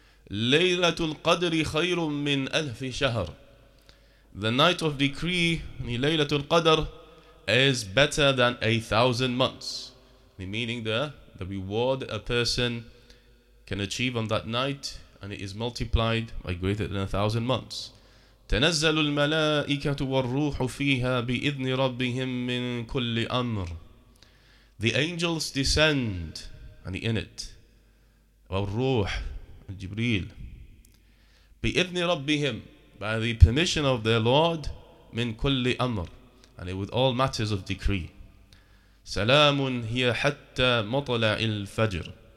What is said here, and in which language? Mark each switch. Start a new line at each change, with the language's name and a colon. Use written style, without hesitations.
Arabic: لَيْلَةُ الْقَدْرِ خَيْرٌ مِّنْ أَلْفِ شَهْرٍ.
English: The night of decree, Laylatul Qadr, is better than 1,000 months. Meaning the reward a person can achieve on that night, and it is multiplied by greater than 1,000 months.
Arabic: تنزل الملائكة والروح فيها بإذن ربهم من كل أمر.
English: The angels descend and in it,
Arabic: والروح جبريل, بإذن ربهم,
English: by the permission of their Lord,
Arabic: من كل أمر,
English: and with all matters of decree.
Arabic: سلام هي حتى مطلع الفجر.